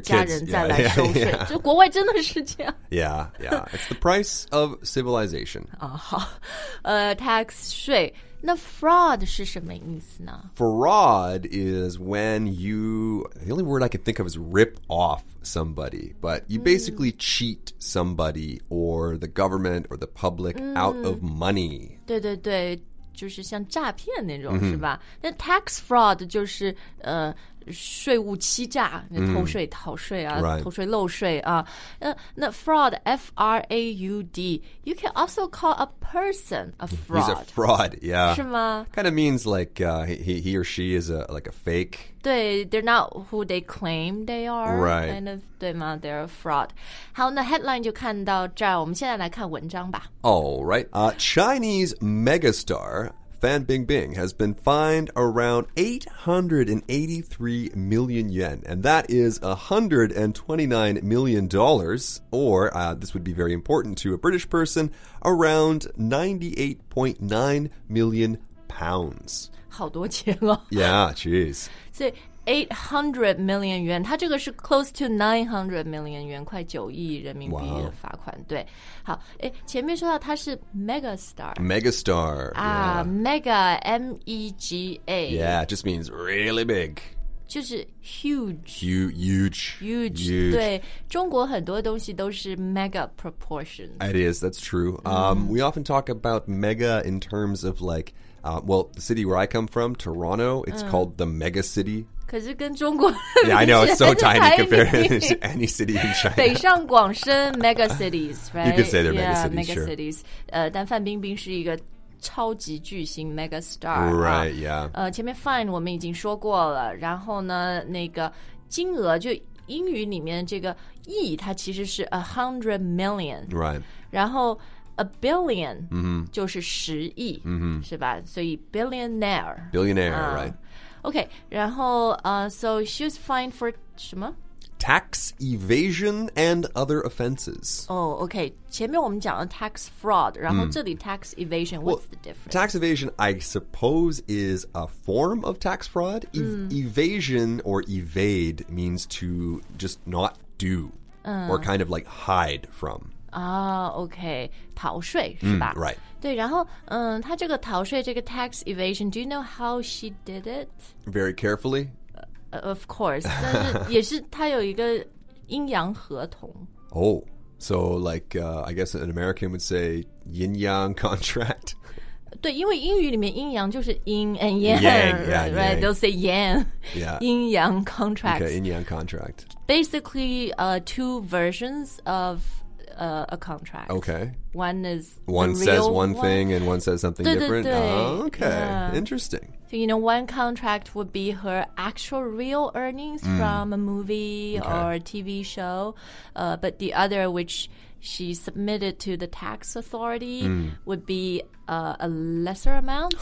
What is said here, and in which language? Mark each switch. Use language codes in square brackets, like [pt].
[en] kids, [zh] 家人再来收税 [en] yeah, yeah, yeah. [zh] 就国外真的是这样 [en] yeah it's the price of civilization [zh] 、tax 税那 fraud 是什么意思呢 [en] fraud is when you the only word I can think of is rip off somebody but you basically cheat somebody or the government or the public out of money [zh] 对对对就是像诈骗那种、是吧那 tax fraud 就是税务欺诈偷税逃税啊、偷税漏税啊那 fraud F-R-A-U-D [en] you can also call a person a fraud he's a fraud yeah [zh] 是吗 [en] kind of means like he or she is a, like a fake 对 they're not who they claim they are right [zh] kind of, 对吗 [en] they're a fraud [zh] 好那 headline 就看到这儿我们现在来看文章吧 [en] alright Chinese megastarFan Bingbing has been fined around 883 million yuan, and that is $129 million, or, this would be very important to a British person, around 98.9 million pounds. [zh] 好多钱哦。 [en] Yeah, jeez. [zh] So, 800 million yuan, 它这个是 [en] close to 900 million yuan, [zh] 快9亿人民币的罚款、对。好，前面说到它是 megastar. [en] Megastar. Mega, M-E-G-A. Yeah, it just means really big. [zh] 就是 huge, [en] huge. [zh] 对，中国很多东西都是 mega proportion. [en] It is, that's true. We often talk about mega in terms of like, well, the city where I come from, Toronto, it's called the mega city. [zh] 可是跟中国 [en] Yeah, I know, it's so tiny compared to any city in China. [zh] 北上广深 mega cities, right? [en] You could say they're yeah, mega cities, mega cities. [zh] 但范冰冰是一个超级巨星 megastar [en] right yeah [zh] 前面 fine 我们已经说过了然后呢那个金额就英语里面这个亿它其实是 $100 million [en] right [zh] 然后 $1 billion 就是十亿、是吧所以 billionaire [en] right Okay, 然后so she was fined for 什么 Tax evasion and other offenses. Oh, okay. 前面我们讲了 tax fraud, 然后这里 tax evasion, what's the difference? Tax evasion, I suppose, is a form of tax fraud. Evasion or evade means to just not do, or kind of like hide from. Ah, okay. [zh] 逃税是吧 [en] Right. [zh] 对然后他这个逃税这个 [en] tax evasion, do you know how she did it? Very carefully. Of course, [zh] 但是也是他有一个阴阳合同。 [en] Oh, so like, I guess an American would say 阴阳 contract. [zh] 对因为英语里面阴阳就是 yin and yang, [en] yang, they'll say yang, yeah. [zh] 阴阳 contract. [en] Okay, 阴阳 contract. Basically, two versions of... a contract. Okay. One is one says one thing and one says something different. [zh] 对对对 [en] oh, okay. Yeah. Interesting. So, you know, one contract would be her actual real earnings from a movie or a TV show, but the other, which she submitted to the tax authority, would be a lesser amount.